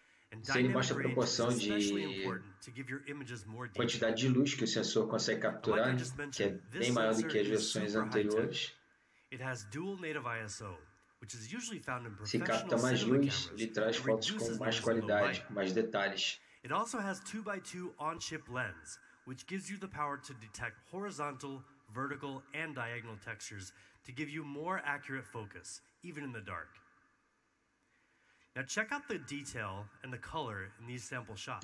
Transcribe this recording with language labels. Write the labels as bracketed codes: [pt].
[en] And dynamic range is especially important to give your images more detail. [pt] Quantidade de luz que o sensor consegue capturar, que é bem maior do que as versões anteriores. [en] It has dual native ISO, which is usually found in professional. [pt] Se capta mais luz, ele traz fotos com mais qualidade, com mais detalhes. [en] It also has 2x2 on-chip lens, which gives you the power to detect horizontal, vertical, and diagonal textures to give you more accurate focus, even in the dark. Now check out the detail and the color in these sample shots.